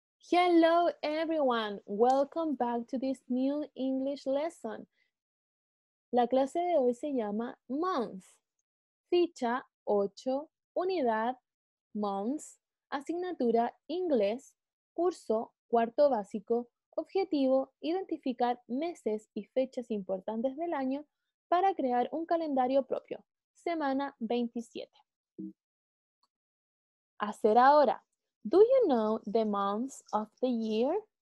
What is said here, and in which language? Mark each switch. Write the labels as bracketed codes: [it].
[en] Hello everyone, welcome back to this new English lesson. [es] La clase de hoy se llama Months, ficha 8, unidad Months, asignatura inglés, curso cuarto básico, objetivo identificar meses y fechas importantes del año para crear un calendario propio, semana 27. Hacer ahora. [en] Do you know the months of the year?